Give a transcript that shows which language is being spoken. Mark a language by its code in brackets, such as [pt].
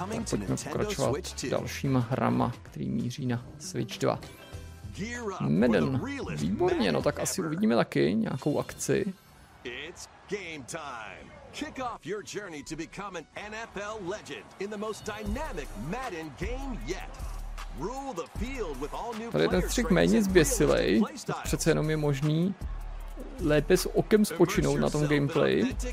[cs] Pojďme pokračovat dalšíma hrama, který míří na Switch 2. Meden, výborně, no tak asi uvidíme taky nějakou akci. [en] It's game time. Kick off your journey to become an NFL legend in the most dynamic Madden game yet. Rule the field with all new players. [cs] Tady ten střih méně zběsilej, přece jenom je možný lépe s okem spočinout na tom gameplay.